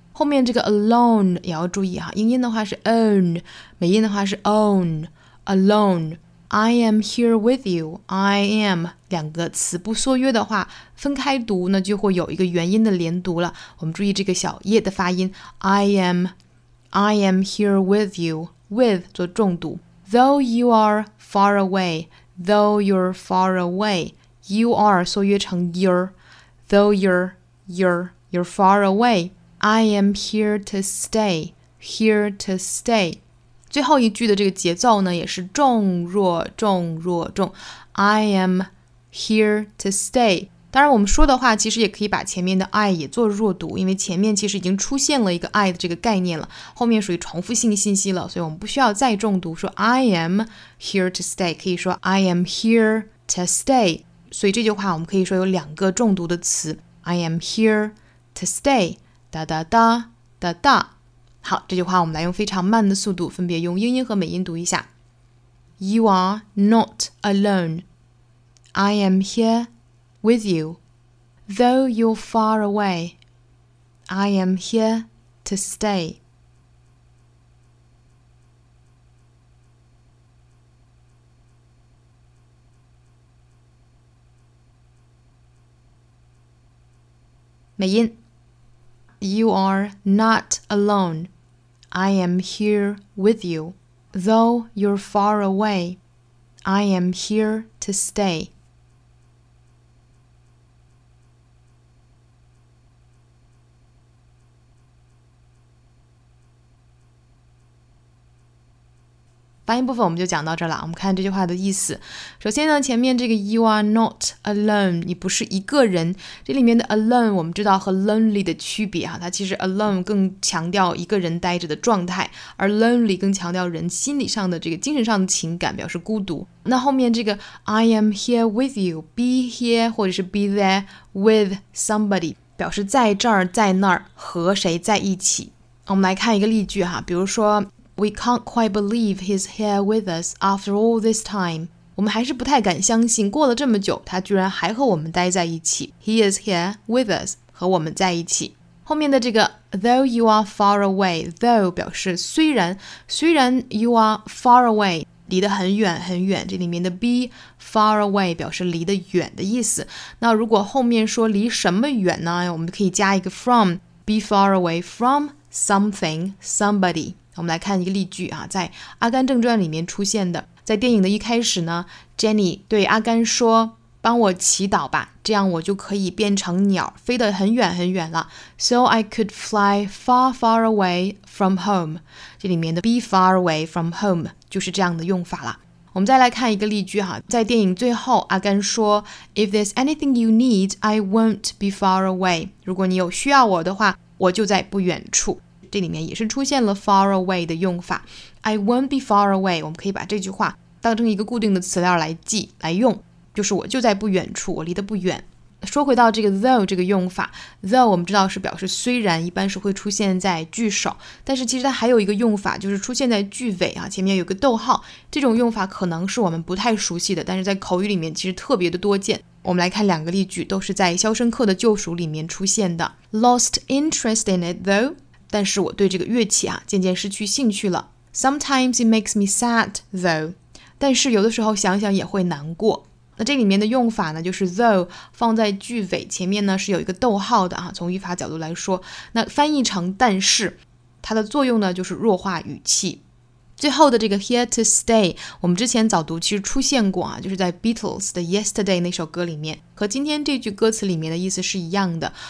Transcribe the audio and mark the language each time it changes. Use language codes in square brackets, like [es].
[zh] 后面这个 alone 也要注意哈，英音的话是 own， 美音的话是 own alone。 [en] I am here with you. [zh] I am 两个词不缩约的话，分开读呢就会有一个元音的连读了。我们注意这个小 ye 的发音。 [en] I am here with you. With 做重读。 Though you are far away, though you're far away, you are 缩约成 you're. Though you're far away, I am here to stay. Here to stay. [zh] 最后一句的这个节奏呢也是重弱重弱重 I am here to stay。当然我们说的话其实也可以把前面的 I 也做弱读，因为前面其实已经出现了一个 I 的这个概念了，后面属于重复性信息了，所以我们不需要再重读说 I am here to stay，可以说 I am here to stay。所以这句话我们可以说有两个重读的词 I am here to stay 哒哒哒哒哒。好，这句话我们来用非常慢的速度分别用英音和美音读一下。 [en] You are not alone. I am here with you. Though you're far away, I am here to stay. You are not alone. I am here with you. Though you're far away, I am here to stay. Final part, we just 讲到这了。 [zh] 我们看这句话的意思。首先呢，前面这个 "You are not alone"，你不是一个人。这里面的 "alone" 我们知道和 "lonely" 的区别哈，它其实 "alone" 更强调一个人待着的状态，而 "lonely" 更强调人心理上的这个精神上的情感，表示孤独。那后面这个 "I am here with you", "be here" 或者是 "be there with somebody"， 表示在这儿、在那儿和谁在一起。我们来看一个例句哈，比如说。 [en] We can't quite believe he's here with us after all this time. [zh] 我们还是不太敢相信过了这么久他居然还和我们待在一起。 [en] He is here with us, 和我们在一起。 [zh] 后面的这个 though you are far away, though 表示虽然 you are far away, 离得很远很远，这里面的 be far away 表示离得远的意思。那如果后面说离什么远呢，我们可以加一个 from, be far away from something, somebody. 我们来看一个例句啊，在《阿甘正传》里面出现的，在电影的一开始呢 ，Jenny 对阿甘说：“帮我祈祷吧，这样我就可以变成鸟，飞得很远很远了。” [en] So I could fly far, far away from home. [zh] 这里面的 be far away from home 就是这样的用法了。我们再来看一个例句哈，在电影最后，阿甘说 ： “If there's anything you need, I won't be far away. 如果你有需要我的话，我就在不远处。” 这里面也是出现了 far away 的用法 I won't be far away 我们可以把这句话当成一个固定的词料来记来用就是我就在不远处我离得不远说回到这个 though 这个用法 though 我们知道是表示虽然一般是会出现在句首但是其实它还有一个用法就是出现在句尾啊，前面有个逗号这种用法可能是我们不太熟悉的但是在口语里面其实特别的多见我们来看两个例句都是在《肖申克的救赎》里面出现的 Lost interest in it though 但是我对这个乐器啊渐渐失去兴趣了。 [en] Sometimes it makes me sad, though. [zh] 但是有的时候想想也会难过。那这里面的用法呢就是 though 放在句尾前面呢是有一个逗号的啊从语法角度来说。那翻译成但是它的作用呢就是弱化语气。最后的这个 here to stay, 我们之前早读其实出现过啊就是在 Beatles 的 Yesterday 那首歌里面和今天这句歌词里面的意思是一样的。